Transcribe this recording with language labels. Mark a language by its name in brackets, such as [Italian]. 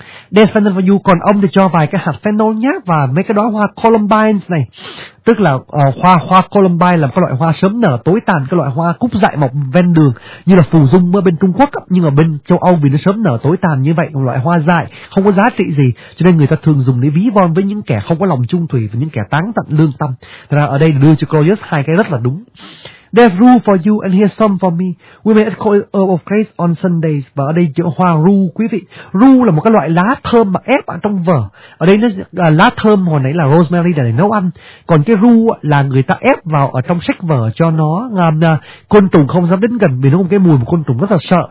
[English] There's fennel for you, [Vietnamese] còn ông thì cho vài cái hạt fennel nhé, và mấy cái đóa hoa columbines này, tức là hoa columbine là một loại hoa sớm nở tối tàn, cái loại hoa cúc dại mọc ven đường như là phù dung ở bên Trung Quốc, nhưng mà bên châu Âu vì nó sớm nở tối tàn như vậy, một loại hoa dại không có giá trị gì, cho nên người ta thường dùng để ví von với những kẻ không có lòng trung thủy và những kẻ táng tận lương tâm. Thật ra ở đây đưa cho Claudius hai cái rất là đúng. [English] There's rue for you and here's some for me. We may call it herb of grace on Sundays. [Vietnamese] Và ở đây chữ hoa rue quý vị. Rue là một cái loại lá thơm mà ép ở trong vở. Ở đây nó lá thơm hồi nãy là rosemary để nấu ăn. Còn cái rue là người ta ép vào ở trong sách vở cho nó làm côn trùng không dám đến gần vì nó có cái mùi một côn trùng rất là sợ.